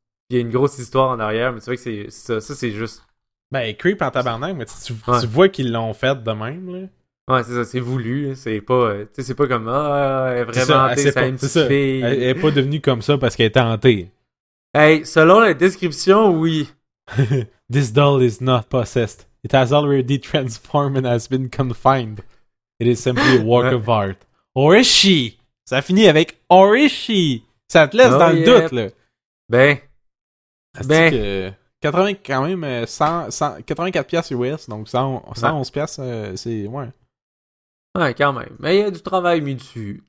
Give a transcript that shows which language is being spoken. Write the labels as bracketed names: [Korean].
[French] Il y a une grosse histoire en arrière, mais c'est vrai que c'est ça, ça c'est juste... Ben, creep en tabarnak, mais ouais. Tu vois qu'ils l'ont fait de même, là. Ouais, c'est ça, c'est voulu, c'est pas... Tu sais, c'est pas comme, ah, elle est vraiment hantée, c'est une petite fille. Elle est pas devenue comme ça parce qu'elle est hantée. Hey, selon la description, oui. [English] This doll is not possessed. It has already transformed and has been confined. It is simply a work of art. Or is she? [French] Ça finit avec « [English] Or is she? [French] » Ça te laisse dans le doute, là. Ben. Ben. Que 84$ US, donc 111$, c'est... Ouais. Ouais, quand même. Mais il y a du travail mis dessus.